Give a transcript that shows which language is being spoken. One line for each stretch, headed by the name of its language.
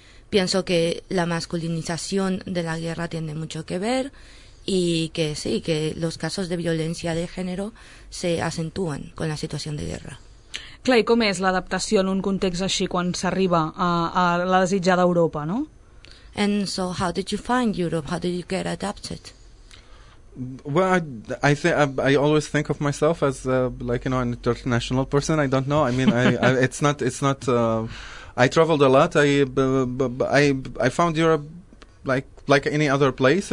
Spanish: Pienso que la masculinización de la guerra tiene mucho que ver, y que sí, que los casos de violencia de género se acentúan con la situación de guerra.
Catalan: Clar, i com és l'adaptació en un context així quan s'arriba a la desitjada Europa, no?
English: And so how did you find Europe? How did you get adapted? Well, I always think of myself as an international person. I don't know. I mean, I traveled a lot. I found Europe like any other place.